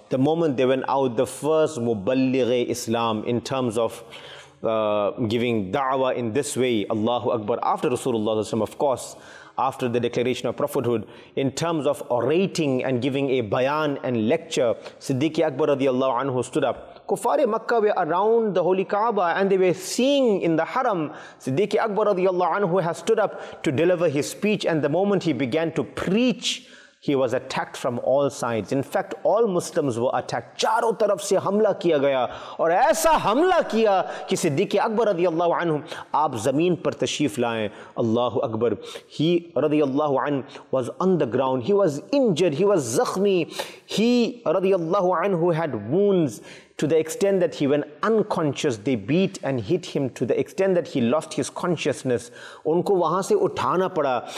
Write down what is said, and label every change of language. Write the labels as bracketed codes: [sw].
[en] The moment they went out, the first muballighe Islam in terms of giving da'wah in this way, Allahu Akbar, after Rasulullah sallallahu alayhi wa sallam, of course, after the declaration of prophethood, in terms of orating and giving a bayan and lecture, Siddiqui Akbar radiallahu anhu stood up. Kufari Makkah were around the Holy Kaaba and they were seeing in the haram. Siddiqui Akbar radiallahu anhu has stood up to deliver his speech, and the moment he began to preach, he was attacked from all sides. In fact, all Muslims were attacked. [ur] چاروں طرف سے حملہ کیا گیا, اور ایسا حملہ کیا کہ صدیق اکبر رضی اللہ عنہ, آپ زمین پر تشریف لائیں. [ar] اللہ اکبر. [en] He رضی اللہ عنہ was on the ground. He was injured. He was زخمی. He رضی اللہ عنہ had wounds to the extent that he went unconscious. They beat and hit him to the extent that he lost his consciousness. [ur] ان کو وہاں سے اٹھانا پڑا.